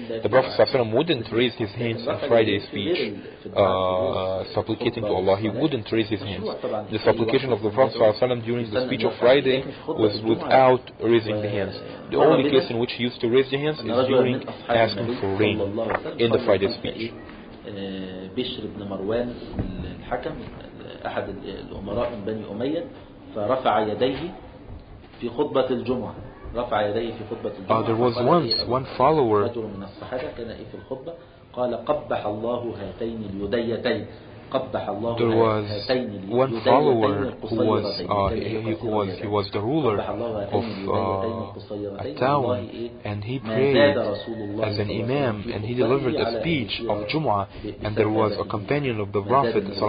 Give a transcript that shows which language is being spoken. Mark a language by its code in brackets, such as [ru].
[en] The Prophet wouldn't raise his hands in Friday speech supplicating to Allah. He wouldn't raise his hands. The supplication of the Prophet during the speech of Friday was without raising the hands. The only case in which he used to raise the hands is during asking for rain in the Friday speech. [ar] بشر بن مروان الحكم أحد الأمراء من بني أمية فرفع يديه في خطبة الجمعة [en] there was once one follower [ar] رجل من الصحابة كان في الخطبة قال قبح الله هاتين اليديتين قبح الله [en] there was [ar] هاتين اليديتين [en] one follower who was he was the ruler of a town and he prayed as an imam and he delivered a speech of Jumu'ah and there was a companion of the Prophet